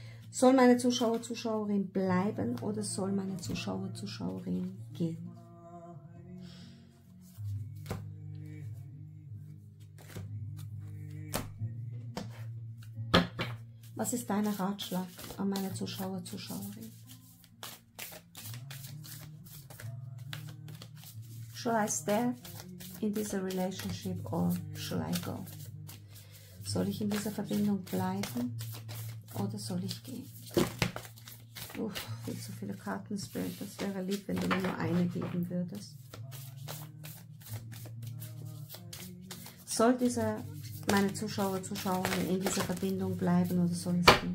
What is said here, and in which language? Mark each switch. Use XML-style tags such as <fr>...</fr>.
<de>Soll meine Zuschauer, Zuschauerin bleiben oder soll meine Zuschauer, Zuschauerin gehen? Was ist dein Ratschlag an meine Zuschauer, Zuschauerin?</de> <en>Should I stay in this relationship or should I go?</en> <de>Soll ich in dieser Verbindung bleiben oder soll ich gehen? Uff, viel zu viele Karten, Spirit. Das wäre lieb, wenn du mir nur eine geben würdest. Soll dieser meine Zuschauer, Zuschauerinnen in dieser Verbindung bleiben oder sonst.</de>